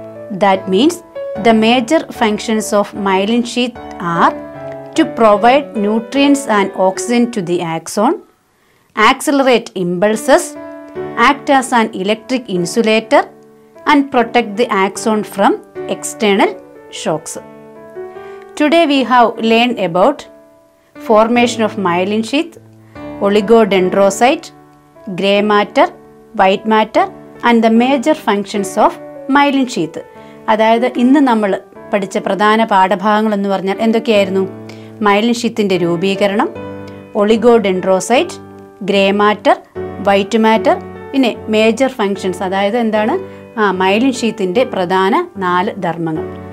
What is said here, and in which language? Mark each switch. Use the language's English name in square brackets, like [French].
[English] That means the major functions of myelin sheath are to provide nutrients and oxygen to the axon, accelerate impulses, act as an electric insulator and protect the axon from external shocks. Today we have learned about formation of myelin sheath, oligodendrocyte, gray matter, white matter and the major functions of myelin sheath. [Malayalam] അതായത് ഇന്ന് നമ്മൾ പഠിച്ച പ്രധാന പാഠഭാഗങ്ങൾ എന്ന് പറഞ്ഞാൽ എന്തൊക്കെയായിരുന്നു, myelin ഷീത്തിൻ്റെ രൂപീകരണം, oligodendrocyte, grey matter, white matter, പിന്നെ മേജർ ഫങ്ഷൻസ്, അതായത് എന്താണ് മൈലിൻ ഷീത്തിൻ്റെ പ്രധാന നാല് ധർമ്മങ്ങൾ.